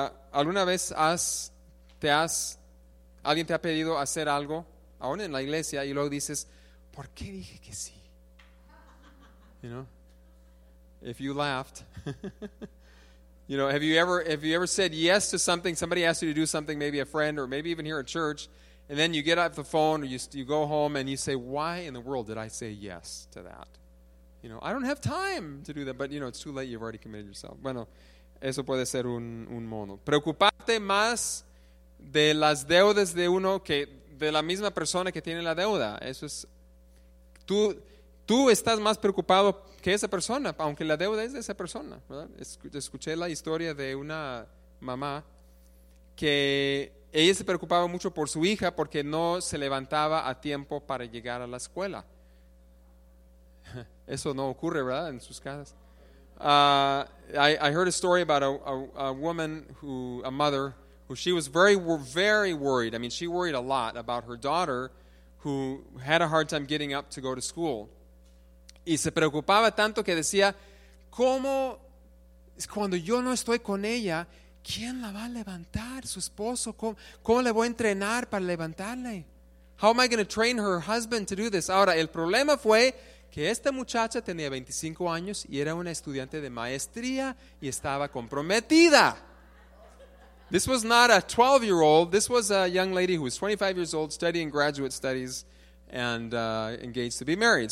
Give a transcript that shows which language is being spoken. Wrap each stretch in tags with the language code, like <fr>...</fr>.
<es>¿Alguna vez alguien te ha pedido hacer algo, aún en la iglesia, y luego dices, ¿por qué dije que sí?</es> <en>You know? If you laughed... You know, have you ever said yes to something? Somebody asked you to do something, maybe a friend or maybe even here at church, and then you get off the phone or you go home and you say, why in the world did I say yes to that? You know, I don't have time to do that, but you know, it's too late, you've already committed yourself.</en> <es>Bueno, eso puede ser un mono. Preocuparte más de las deudas de uno que de la misma persona que tiene la deuda. Eso es, tú estás más preocupado que esa persona, aunque la deuda es de esa persona, ¿verdad? Escuché la historia de una mamá que ella se preocupaba mucho por su hija porque no se levantaba a tiempo para llegar a la escuela. Eso no ocurre, ¿verdad? En sus casas.</es> <en>I heard a story about a mother who she was very, very worried. I mean, she worried a lot about her daughter who had a hard time getting up to go to school.</en> <es>Y se preocupaba tanto que decía, ¿cómo es cuando yo no estoy con ella? ¿Quién la va a levantar? ¿Su esposo? ¿Cómo le voy a entrenar para levantarle?</es> <en>How am I going to train her husband to do this?</en> <es>Ahora, el problema fue que esta muchacha tenía 25 años y era una estudiante de maestría y estaba comprometida.</es> <en>This was not a 12-year-old. This was a young lady who was 25 years old, studying graduate studies and engaged to be married.</en>